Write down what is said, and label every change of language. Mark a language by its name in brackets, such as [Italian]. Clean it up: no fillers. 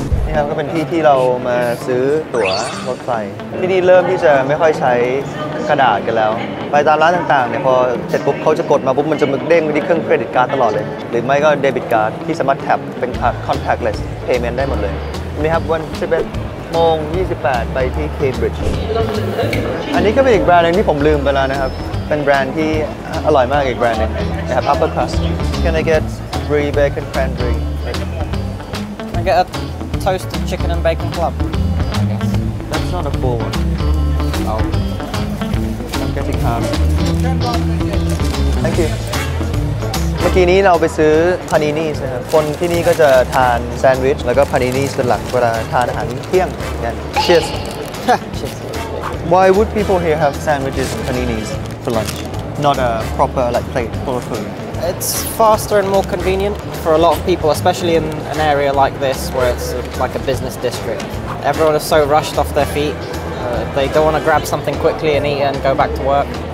[Thai] นี่ครับก็เป็นที่ที่เรามาซื้อตั๋วรถไฟที่นี่เริ่มที่จะไม่ค่อยใช้กระดาษกันแล้วไปตามร้านต่างๆเนี่ยพอเสร็จปุ๊บเขาจะกดมาปุ๊บมันจะมึกเด้งไปที่เครื่องเครดิตการ์ดตลอดเลยหรือไม่ก็เดบิตการ์ดที่สามารถแท็บเป็นคัดคอนแทคเลสเพย์เมนต์ได้หมดเลยนี่ครับวัน 11:28 ไปที่เคมบริดจ์อันนี้ก็เป็นอีกแบรนด์นึงที่ผมลืมไปแล้วนะครับเป็นแบรนด์ที่อร่อยมากอีกแบรนด์นึงนะครับ Upper Crust [English] Can I get brie bacon cranberry I get a toasted chicken and bacon club I guess That's not a full one Oh. Thank you. [Thai] เมื่อกี้นี้เราไปซื้อพานินีใช่ไหมคนที่นี่ก็จะทานแซนด์วิชแล้วก็พานินีเป็นหลักเวลาทานอาหารเที่ยงนั่น Cheers. [English] Why would people here have sandwiches and paninis for lunch, not a proper like plate full of food? It's faster and more convenient for a lot of people, especially in an area like this where it's like a business district. Everyone is so rushed off their feet. They don't want to grab something quickly and eat and go back to work.